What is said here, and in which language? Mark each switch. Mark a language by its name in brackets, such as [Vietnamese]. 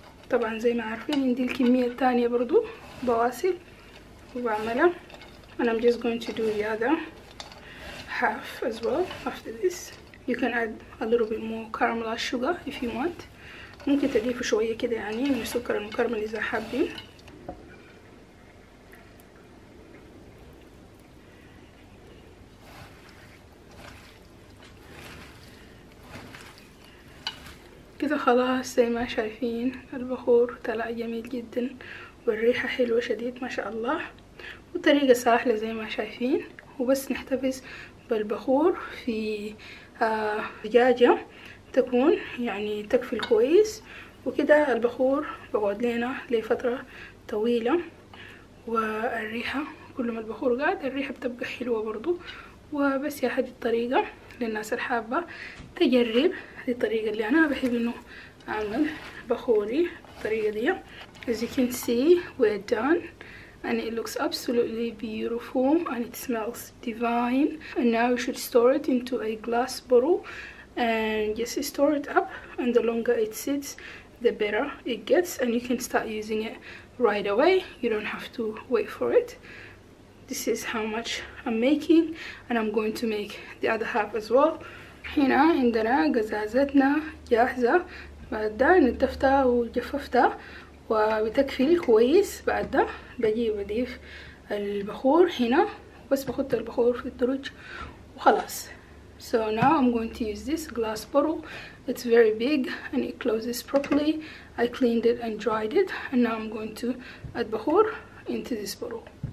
[Arabic] طبعا زي ما عارفين عندي الكمية الثانية برضو بواصل وبعملها. [English] And I'm just going to do the other half as well after this. You can add a little bit more caramelized sugar if you want. [Arabic] ممكن تضيفوا شوية كده يعني من السكر المكرمل إذا حابين. كده خلاص زي ما شايفين البخور طلع جميل جدا والريحة حلوة شديد ما شاء الله. وطريقة سهلة زي ما شايفين، وبس نحتفظ بالبخور في دجاجة تكون يعني تكفل كويس. وكده البخور بقعد لنا لفترة طويلة والريحة كل ما البخور قاعد الريحة بتبقى حلوة برضو. وبس يا هذه الطريقة للناس الحابة تجرب. هذه الطريقة اللي أنا بحب إنه أعمل بخوري الطريقة دي. [English] As you can see we're done. And it looks absolutely beautiful and it smells divine. And now you should store it into a glass bottle and just store it up. And the longer it sits, the better it gets. And you can start using it right away. You don't have to wait for it. This is how much I'm making. And I'm going to make the other half as well. [Arabic] هنا عندنا قزازتنا جاهزة. بعد ده نضفتها وجففتها. وبتكفي كويس. بعد ده بجي بضيف البخور هنا، بس بحط البخور في الدرج وخلاص. [English] So now I'm going to use this glass bottle. It's very big and it closes properly. I cleaned it and dried it and now I'm going to add بخور into this bottle.